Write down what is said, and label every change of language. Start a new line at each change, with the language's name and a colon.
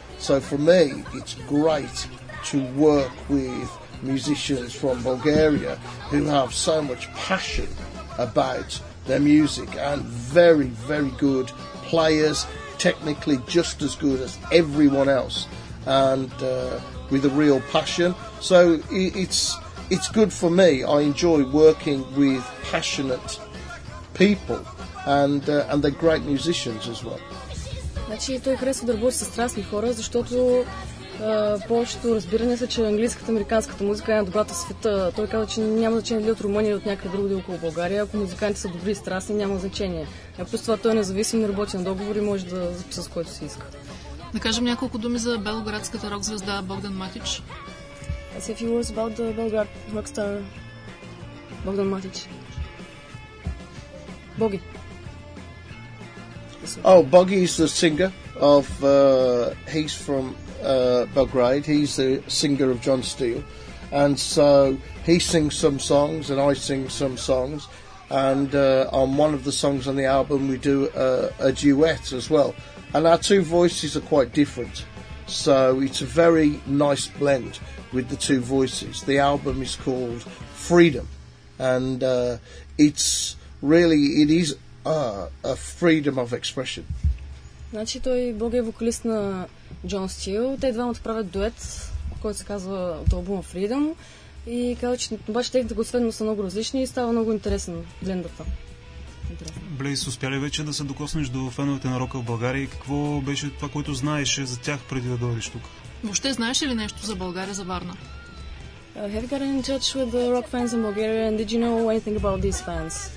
English: So for me, it's great to work with musicians from Bulgaria who have so much passion about their music and very, very good players, technically just as good as everyone else, and with a real passion. So it's good for me. I enjoy working with passionate people, and they're great musicians as well.
Bulgarian: Значи той харесва да работи с страстни хора, защото повечето разбиране са, че английската, американската музика е най-добрата в света. Той казва, че няма значение дали от Румъния или от някъде другаде около България. Ако музикантите са добри и страстни, няма значение. А плюс това той е независим, не работи на договори, може да записа с който си иска. Да кажем няколко думи за белградската рок звезда Богдан Матич.
English: As if you was about the Belgrade rockstar Bogdan Matic. Bogi. Oh, Bogi is the singer of he's from Belgrade. He's the singer of John Steele. And so he sings some songs and I sing some songs. And on one of the songs on the album we do a duet as well. And our two voices are quite different. So it's a very nice blend with the two voices. The album is called Freedom, and it's really, it is a freedom of expression.
Bulgarian: Значи той, Боги, е вокалист на Джон Стил. Те двамата правят дует, който се казва от албума Freedom, и казва, че обаче техните гласове са много различни и става много интересен блендата. Блейз, успя ли вече да се докоснеш до феновете на рока в България и какво беше това, което знаеше за тях преди да дойдеш тук? Въобще знаеш ли нещо за България, за Варна?
English: Have you gotten in touch with the rock fans in Bulgaria and did you know anything about these fans?